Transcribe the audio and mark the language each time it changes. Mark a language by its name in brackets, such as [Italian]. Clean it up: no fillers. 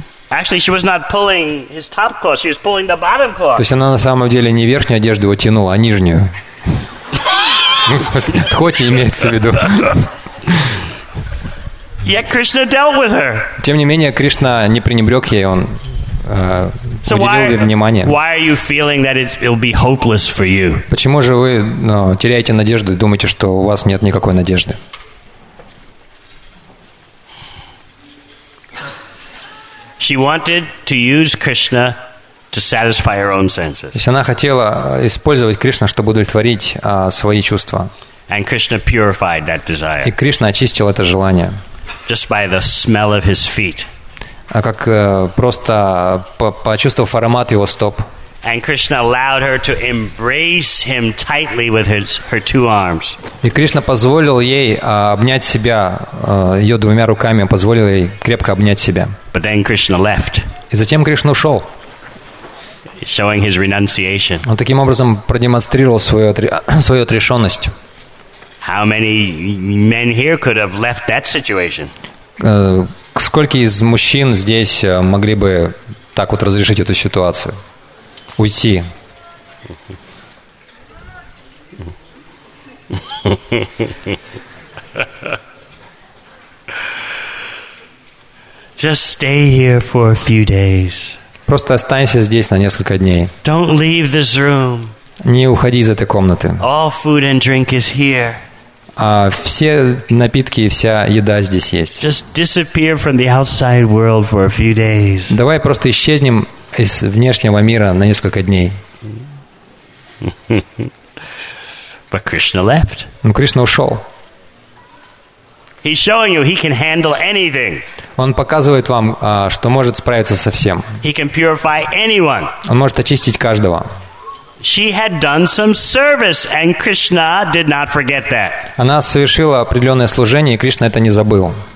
[English] Actually, she was not pulling his top cloth. She was pulling the bottom cloth. [Russian] То есть она на самом деле не верхнюю одежду его тянула, а нижнюю. Ну, в смысле, хоть и имеется в виду. [English] Yet Krishna dealt with her. [Russian] Тем не менее, Кришна не пренебрег ей, он уделил ей внимание. [English] Why are you feeling that it'll be hopeless for you? [Russian] Почему же вы теряете надежду и думаете, что у вас нет никакой надежды? [English] She wanted to use Krishna to satisfy her own senses. [Russian] То есть она хотела использовать Кришну, чтобы удовлетворить свои чувства. [English] And Krishna purified that desire. [Russian] И Кришна очистил это желание. [English] Just by the smell of his feet. [Russian] А как просто почувствовав аромат его стоп. [English] And Krishna allowed her to embrace him tightly with her two arms. [Russian] И Кришна позволил ей обнять себя ее двумя руками, позволил ей крепко обнять себя. [English] But then Krishna left. [Russian] И затем Кришна ушел. [English] Showing his renunciation. [Russian] Он таким образом продемонстрировал свою отрешенность. [English] How many men here could have left that situation? [Russian] Сколько из мужчин здесь могли бы так вот разрешить эту ситуацию? Уйти. [English] Just stay here for a few days. [Russian] Просто останься здесь на несколько дней. [English] Don't leave this room. [Russian] Не уходи из этой комнаты. [English] All food and drink is here. [Russian] Все напитки и вся еда здесь есть. [English] Just disappear from the outside world for a few days. [Russian] Давай просто исчезнем из внешнего мира на несколько дней. [English] But Krishna left. [Russian] Но Кришна ушел. [English] He's showing you he can handle anything. [Russian] Он показывает вам, что может справиться со всем. [English] He can purify anyone. [Russian] Он может очистить каждого. [English] She had done some service, and Krishna did not forget that. [Russian] Она совершила определенное служение, и Кришна это не забыл.